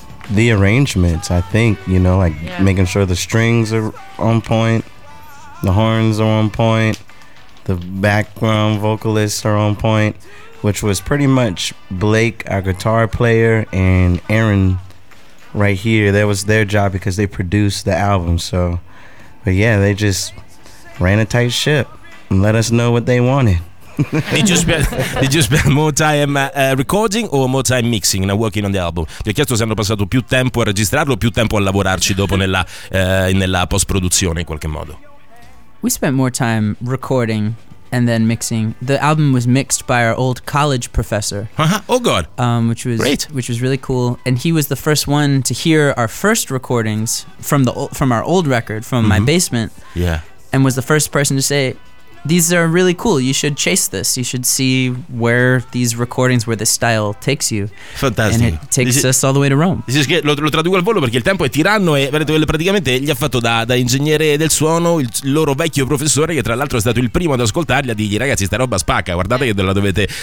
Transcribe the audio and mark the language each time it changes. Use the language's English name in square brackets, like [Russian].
[English] The arrangements, I think, you know, like, yeah, making sure the strings are on point, the horns are on point, the background vocalists are on point, which was pretty much Blake, our guitar player, and Aaron right here. That was their job because they produced the album. So, but yeah, they just ran a tight ship and let us know what they wanted. Did you spend more time recording or more time mixing and working on the album? [Italian] Ti ho chiesto se hanno passato più tempo a registrarlo o più tempo a lavorarci dopo nella post-produzione, in qualche modo. [English] We spent more time recording and then mixing. The album was mixed by our old college professor. Uh-huh. Oh God. Which was great. Which was really cool. And he was the first one to hear our first recordings from our old record from mm-hmm. my basement. Yeah. And was the first person to say, these are really cool. You should chase this. You should see where these recordings, where this style takes you. [Italian] Fantastico. [English] And it takes us all the way to Rome. [Italian] Lo traduco al volo perché il tempo è tiranno e praticamente gli ha fatto da ingegnere del suono il loro vecchio professore, che tra l'altro è stato il primo ad ascoltarli, a dirgli: ragazzi, sta roba spacca, guardate che la dovete.